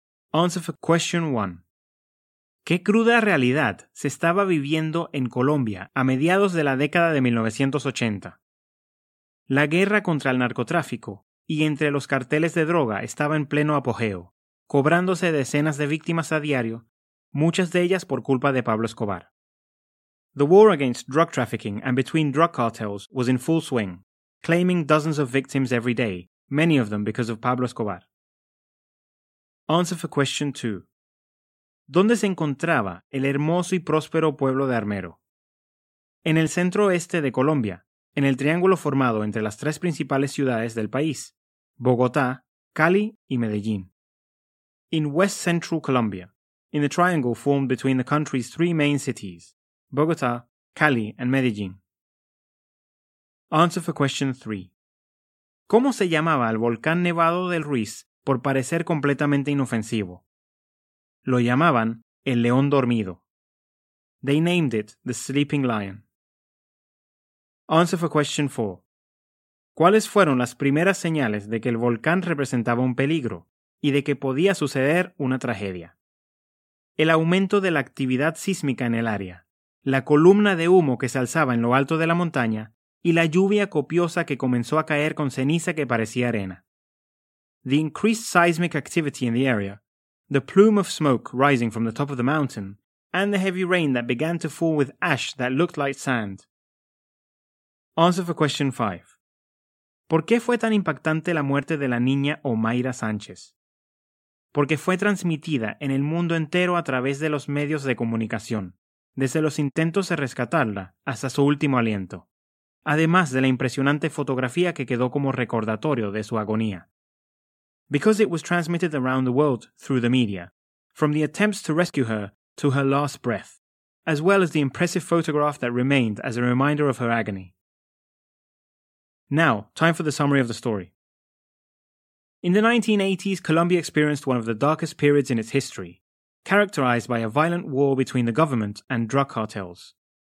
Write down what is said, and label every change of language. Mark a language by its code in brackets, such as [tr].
[en] Answer for question 1. [es] ¿Qué cruda realidad se estaba viviendo en Colombia a mediados de la década de 1980? La guerra contra el narcotráfico y entre los carteles de droga estaba en pleno apogeo, cobrándose decenas de víctimas a diario, muchas de ellas por culpa de Pablo Escobar. [en] The war against drug trafficking and between drug cartels was in full swing, claiming dozens of victims every day, many of them because of Pablo Escobar. Answer for question 2. [es] ¿Dónde se encontraba el hermoso y próspero pueblo de Armero? En el centro oeste de Colombia, en el triángulo formado entre las tres principales ciudades del país, Bogotá, Cali y Medellín. [en] In west central Colombia, in the triangle formed between the country's three main cities, Bogotá, Cali and Medellín. Answer for question 3. [es] ¿Cómo se llamaba el volcán Nevado del Ruiz por parecer completamente inofensivo? Lo llamaban el león dormido. [en] They named it the sleeping lion. Answer for question 4. [es] ¿Cuáles fueron las primeras señales de que el volcán representaba un peligro y de que podía suceder una tragedia? El aumento de la actividad sísmica en el área, la columna de humo que se alzaba en lo alto de la montaña y la lluvia copiosa que comenzó a caer con ceniza que parecía arena. [en] The increased seismic activity in the area, the plume of smoke rising from the top of the mountain, and the heavy rain that began to fall with ash that looked like sand. Answer for question 5. [es] ¿Por qué fue tan impactante la muerte de la niña Omaira Sánchez? Porque fue transmitida en el mundo entero a través de los medios de comunicación, desde los intentos de rescatarla hasta su último aliento, además de la impresionante fotografía que quedó como recordatorio de su agonía. [en] Because it was transmitted around the world through the media, from the attempts to rescue her to her last breath, as well as the impressive photograph that remained as a reminder of her agony. Now, time for the summary of the story. In the 1980s, Colombia experienced one of the darkest periods in its history, characterized by a violent war between the government and drug cartels.